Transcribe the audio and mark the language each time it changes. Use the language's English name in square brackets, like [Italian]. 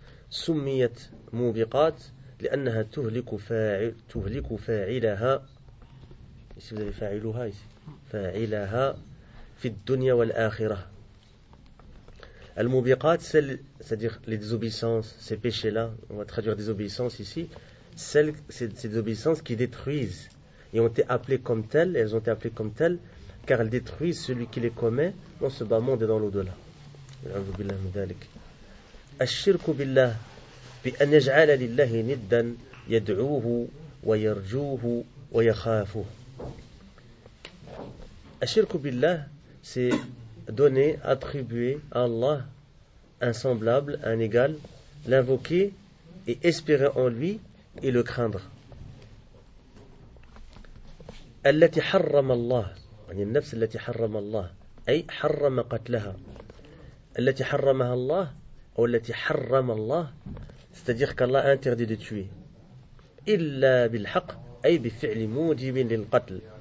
[Arabic] سميت موبقات لأنها تهلك فاعل تهلك فاعلها اسم ذي فاعلها فاعلها في الدنيا والآخرة. [French] الموبقات c'est-à-dire les désobéissances, ces péchés là, on va traduire désobéissance ici, celles ces désobéissances qui détruisent et ont été appelées comme telles, elles ont été appelées comme telles car elles détruisent celui qui les commet dans ce bas monde et dans l'au-delà. [Arabic] أعوذ بالله من ذلك. الشرك بالله بأن يجعل لله ندا يدعوه ويرجوه ويخافه. [French] الشرك بالله c'est donner, attribuer à Allah un semblable, un égal, l'invoquer et espérer en lui et le craindre. [Arabic] التي حرم الله يعني النفس التي حرم الله أي حرم قتلها التي حرمها الله أو التي حرم الله c'est-à-dire qu'Allah a interdit de tuer. إلا بالحق أي بفعل موجب للقتل.